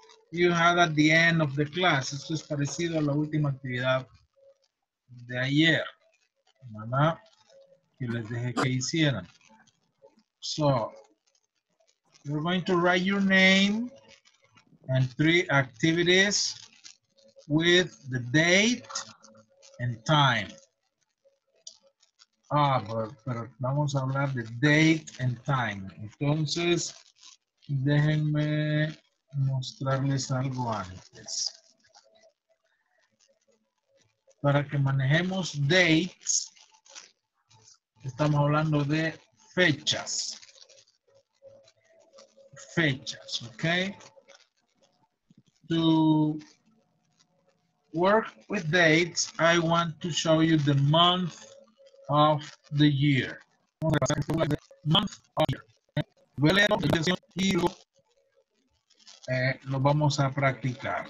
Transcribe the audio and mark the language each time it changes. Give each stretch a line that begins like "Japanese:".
English: you had at the end of the class.
Spanish: Esto es parecido a la última actividad de ayer, ¿verdad? Que les dejé que hicieran.
English: So, you're going to write your name and three activities with the date and time.
Spanish: Ah, pero vamos a hablar de
English: date and time.
Spanish: Entonces, déjenme mostrarles algo antes. Para que manejemos dates, estamos hablando de fechas. Fechas, ok.
English: To work with dates, I want to show you the month of the year. Month of the year.
Spanish: Voy a leer la aplicación y lo vamos a practicar.